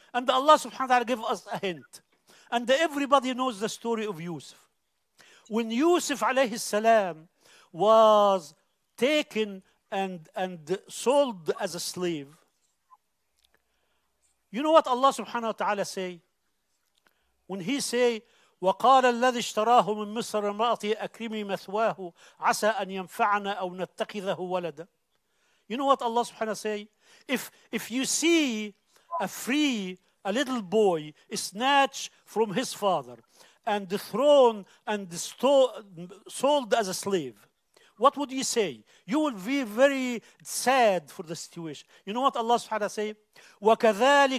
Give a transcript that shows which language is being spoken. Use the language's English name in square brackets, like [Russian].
[English] And Allah subhanahu wa ta'ala gave us a hint. And everybody knows the story of Yusuf. When Yusuf alayhi salam was taken and sold as a slave, you know what Allah subhanahu wa ta'ala say? When he say, [Arabic] وقال الذي اشتراه من مصر امرأتي أكرمي مثواه عسى أن ينفعنا أو نتخذه ولدا. [English] You know what Allah subhanahu wa ta'ala say? If you see a little boy snatched from his father and thrown and sold as a slave, what would you say? You would be very sad for the situation. You know what Allah subhanahu wa ta'ala say?